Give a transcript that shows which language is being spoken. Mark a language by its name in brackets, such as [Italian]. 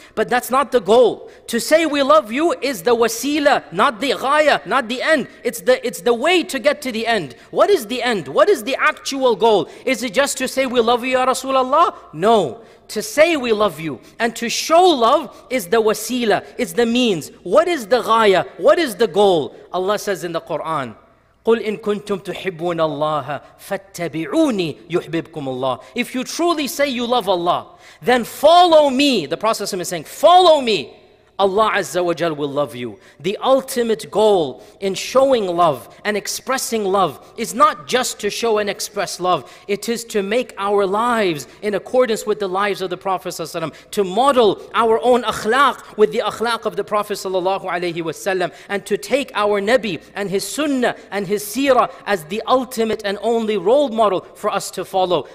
[English] But that's not the goal. To say we love you is the wasila, not the ghaya, not the end. It's the way to get to the end. What is the end? What is the actual goal? Is it just to say we love you, Ya Rasulullah? No. To say we love you and to show love is the wasila, is the means. What is the ghaya? What is the goal? [Arabic] Allah says in the Quran, قُلْ إِن كُنْتُمْ تُحِبُّونَ اللَّهَ فَاتَّبِعُونِي يُحْبِبْكُمُ اللَّهِ. [English] If you truly say you love Allah, then follow me. The Prophet is saying, follow me. Allah Azza wa Jal will love you. The ultimate goal in showing love and expressing love is not just to show and express love. It is to make our lives in accordance with the lives of the Prophet Sallallahu Alaihi Wasallam, to model our own akhlaq with the akhlaq of the Prophet Sallallahu Alaihi Wasallam, and to take our Nabi and his Sunnah and his Seerah as the ultimate and only role model for us to follow.